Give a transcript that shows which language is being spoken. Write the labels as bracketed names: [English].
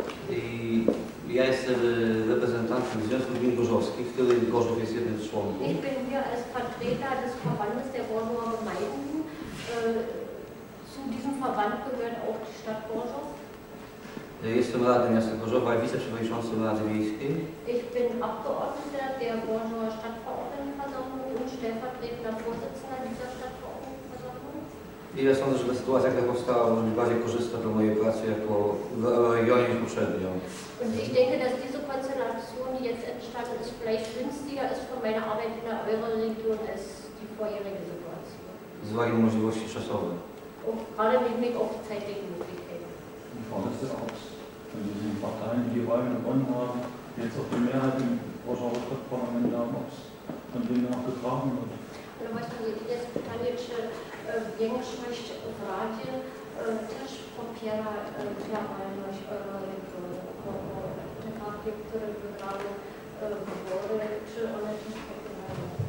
[Polish] I ja jestem reprezentantem Związku Gmin Gorzowskich, w której Gorzów jest jednym z członków. [German] Ich bin hier als Vertreter des Verbandes der Gorzower Gemeinden. Zu diesem Verband gehört auch die Stadt Gorzów. [Polish] Jestem Rady Miasta Gorzowa i wiceprzewodniczącym Rady Miejskiej. [German] Ich bin Abgeordneter der Gorzower Stadtverordnetenversammlung und stellvertretender Vorsitzender dieser Stadtverordnetenversammlung. [Polish] I ja sądzę, że ta sytuacja, jaka powstała, może być bardziej korzystna dla mojej pracy jako w regionie niż poprzednio. [German] Und ich denke, dass diese Konstellation, die jetzt entstanden ist, vielleicht günstiger ist für meine Arbeit in der Euroregion als die vorherige Situation. [Polish] Z uwagi na możliwości czasowe. [German] Und gerade mit Blick auf die zeitlichen Möglichkeiten. Vorsitzende aus. Wenn Sie den Parteien, die Wahl gewonnen haben, jetzt auch die Mehrheit im Parlament haben, ob es von denen auch getragen wird. Dann möchte ich jetzt [Polish] Pytanie, większość w Radzie też popiera działalność Eurolegii, te partie, które wygrały wybory, czy one też popierają?